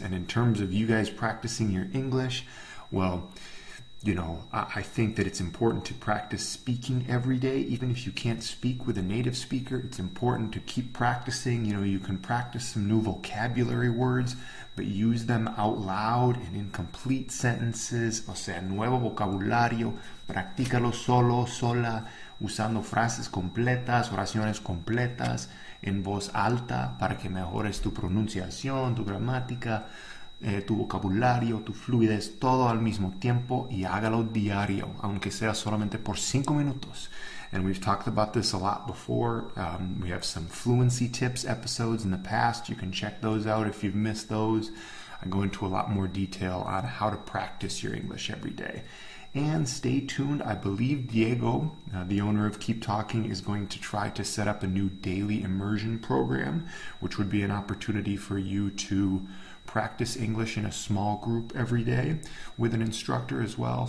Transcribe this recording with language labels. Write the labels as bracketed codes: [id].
[en] And in terms of you guys practicing your English, well, you know, I think that it's important to practice speaking every day. Even if you can't speak with a native speaker, it's important to keep practicing. You know, you can practice some new vocabulary words, but use them out loud and in complete sentences. [es] O sea, nuevo vocabulario, practícalo solo, sola, usando frases completas, oraciones completas, en voz alta, para que mejores tu pronunciación, tu gramática, tu vocabulario, tu fluidez, todo al mismo tiempo, y hágalo diario, aunque sea solamente por 5 minutos. [en] And we've talked about this a lot before. We have some fluency tips episodes in the past. You can check those out if you've missed those. I go into a lot more detail on how to practice your English every day. And stay tuned. I believe Diego, the owner of Keep Talking, is going to try to set up a new daily immersion program, which would be an opportunity for you to practice English in a small group every day with an instructor as well.